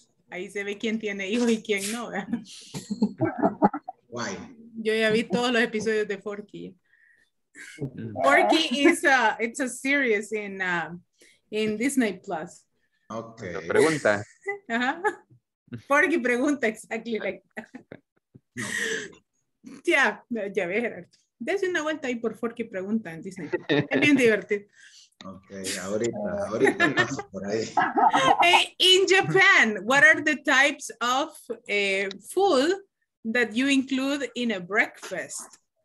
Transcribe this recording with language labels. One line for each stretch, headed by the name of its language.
Spanish: Ahí se ve quién tiene hijos y quién no.
English: Why?
Spanish: Yo ya vi todos los episodios de Forky.
English: Forky is a, it's a series in Disney Plus. Okay.
Spanish: La pregunta.
English: Forky pregunta exactly like that.
Spanish: Ya ve, Gerardo. Dese una vuelta ahí por Forky pregunta en Disney. Es bien divertido. Okay, ahorita por ahí.
English: In Japan, what are the types of food that you include in a breakfast?